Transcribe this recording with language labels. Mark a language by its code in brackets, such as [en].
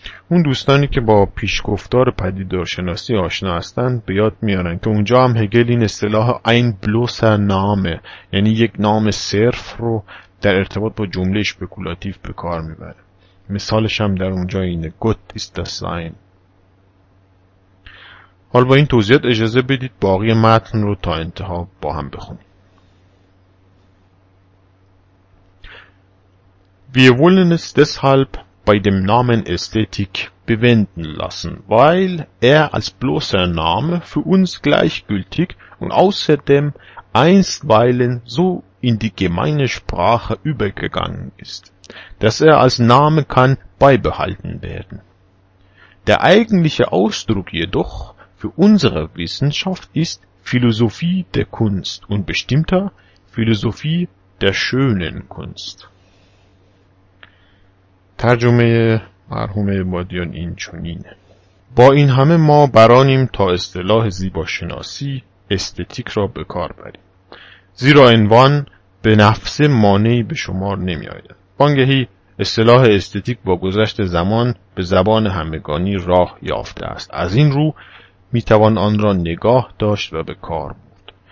[fa] اون دوستانی که با پیشگفتار پدیدارشناسی آشنا هستند به یاد میارن که اونجا هم هگل این اصطلاح این بلوسر نامه، یعنی یک نام صرف رو در ارتباط با جمله اشپکولاتیف به کار میبره. مثالش هم در اونجا اینه، [de] گوت ایست دا ساین. [fa] حال با این توضیحات اجازه بدید باقی متن رو تا انتها با هم بخونیم. [de] Wir wollen es deshalb bei dem Namen Ästhetik bewenden lassen, weil als bloßer Name für uns gleichgültig und außerdem einstweilen so in die gemeine Sprache übergegangen ist, dass als Name kann beibehalten werden. Der eigentliche Ausdruck jedoch für unsere Wissenschaft ist Philosophie der Kunst und bestimmter Philosophie der schönen Kunst. [fa] ترجمه مرحوم عبادیان این چنینه: با این همه ما برانیم تا اصطلاح زیباشناسی استتیک را به کار بریم، زیرا عنوان به نفس مانعی به شمار نمی آید. بانگهی اصطلاح استتیک با گذشت زمان به زبان همگانی راه یافته است، از این رو می توان آن را نگاه داشت و به کار بود.